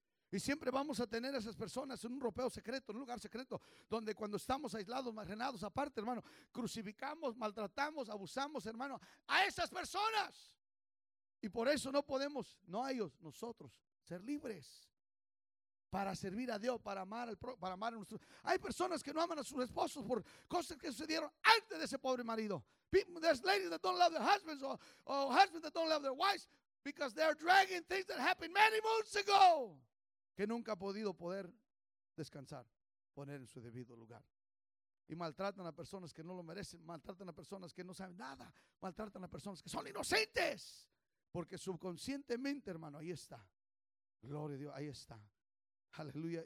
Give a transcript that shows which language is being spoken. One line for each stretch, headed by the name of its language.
Spanish: Y siempre vamos a tener a esas personas en un ropeo secreto, en un lugar secreto, donde cuando estamos aislados, marginados, aparte, hermano, crucificamos, maltratamos, abusamos, hermano, a esas personas. Y por eso no podemos, no a ellos, nosotros, ser libres. Para servir a Dios, para amar a nuestro. Hay personas que no aman a sus esposos por cosas que sucedieron antes de ese pobre marido.
English: There's ladies that don't love their husbands or husbands that don't love their wives because they're dragging things that happened many months ago.
Spanish: Que nunca ha podido poder descansar, poner en su debido lugar. Y maltratan a personas que no lo merecen, maltratan a personas que no saben nada, maltratan a personas que son inocentes. Porque subconscientemente, hermano, ahí está. Gloria a Dios, ahí está. Aleluya.